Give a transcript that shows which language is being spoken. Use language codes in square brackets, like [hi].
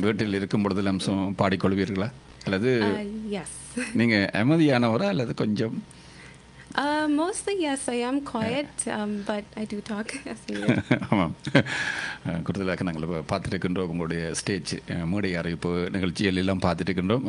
[ta] வீட்டில் இருக்கும் பொழுது அம்சம் பாடிக்கொள்வீர்களா, அல்லது [en] எஸ் [ta] நீங்கள் அமைதியானவரா, அல்லது கொஞ்சம்? [en] Mostly, yes, I am quiet, but I do talk. [ta] ஆமாம், கூடுதலாக நாங்கள் இப்போ பார்த்துருக்கின்றோம் உங்களுடைய ஸ்டேஜ் மூடை அறிவிப்பு நிகழ்ச்சிகள் எல்லாம் பார்த்துருக்கின்றோம்.